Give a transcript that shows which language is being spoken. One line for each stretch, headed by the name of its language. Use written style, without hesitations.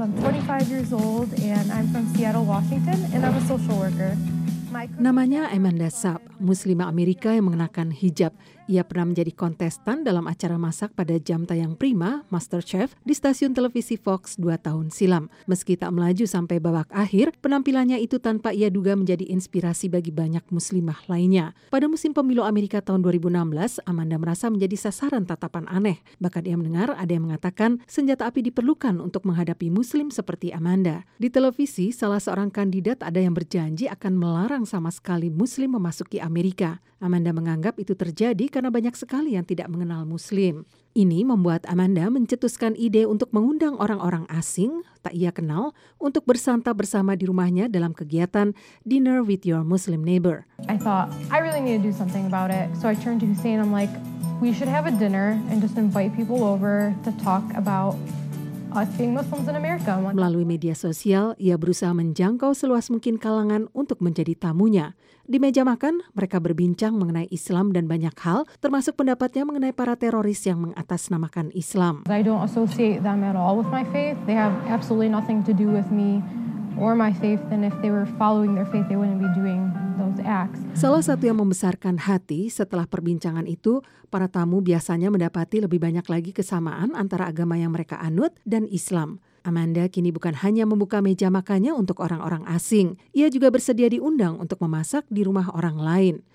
English: I'm 25 years old and I'm from Seattle, Washington, and I'm a social worker.
Indonesian: Namanya Amanda Saab, Muslimah Amerika yang mengenakan hijab. Ia pernah menjadi kontestan dalam acara masak pada jam tayang prima, MasterChef, di stasiun televisi Fox 2 tahun silam. Meski tak melaju sampai babak akhir, penampilannya itu tanpa ia duga menjadi inspirasi bagi banyak muslimah lainnya. Pada musim pemilu Amerika tahun 2016, Amanda merasa menjadi sasaran tatapan aneh. Bahkan ia mendengar ada yang mengatakan senjata api diperlukan untuk menghadapi muslim seperti Amanda. Di televisi, salah seorang kandidat ada yang berjanji akan melarang sama sekali muslim memasuki Amerika. Amanda menganggap itu terjadi karena banyak sekali yang tidak mengenal Muslim. Ini membuat Amanda mencetuskan ide untuk mengundang orang-orang asing, tak ia kenal, untuk bersantap bersama di rumahnya dalam kegiatan Dinner with Your Muslim Neighbor.
English: I thought, I really need to do something about it. So I turned to Hussein, I'm like, we should have a dinner and just invite people over to talk about us being Muslims in America.
Indonesian: Melalui media sosial, ia berusaha menjangkau seluas mungkin kalangan untuk menjadi tamunya. Di meja makan, mereka berbincang mengenai Islam dan banyak hal, termasuk pendapatnya mengenai para teroris yang mengatasnamakan Islam.
English: I don't associate them at all with my faith. They have absolutely nothing to do with me or my faith. And if they were following their faith, they wouldn't be doing those acts.
Indonesian: Salah satu yang membesarkan hati setelah perbincangan itu, para tamu biasanya mendapati lebih banyak lagi kesamaan antara agama yang mereka anut dan Islam. Amanda kini bukan hanya membuka meja makannya untuk orang-orang asing, ia juga bersedia diundang untuk memasak di rumah orang lain.